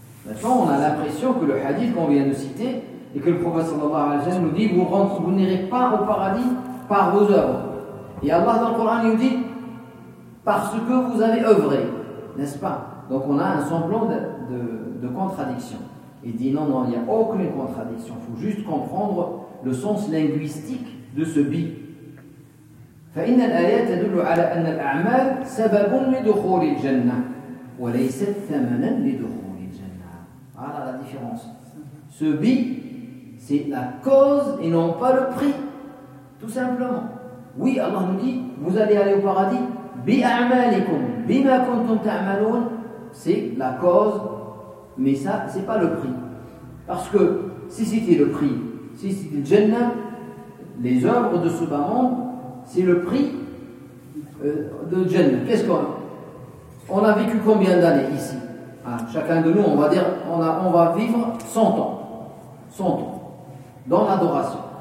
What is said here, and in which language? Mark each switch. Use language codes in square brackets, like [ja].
[fr] Maintenant, on a l'impression que le hadith qu'on vient de citer et que le prophète sallallahu alayhi wa sallam nous dit, vous n'irez pas au paradis par vos œuvres. Et Allah dans le Coran nous dit, parce que vous avez œuvré, n'est-ce pas? Donc on a un semblant de contradiction. Il dit non, il n'y a aucune contradiction, il faut juste comprendre le sens linguistique de ce bi. [ar] فإن الآيات تدل على أن الأعمال سبب لدخول الجنة وليس ثمنا لدخول الجنة. [fr] Voilà la différence. Ce bi, c'est la cause et non pas le prix. Tout simplement. Oui, Allah nous dit, vous allez aller au paradis. [ar] بأعمالكم بما كنتم تعملون. [fr] C'est la cause, mais ça, c'est pas le prix. Parce que si c'était le prix, si c'était le Jannah, les œuvres de ce bas monde, c'est le prix de Jannah. Qu'est-ce qu'on a? On a vécu combien d'années ici? Ah, chacun de nous, on va dire, on va vivre 100 ans. 100 ans. Dans l'adoration.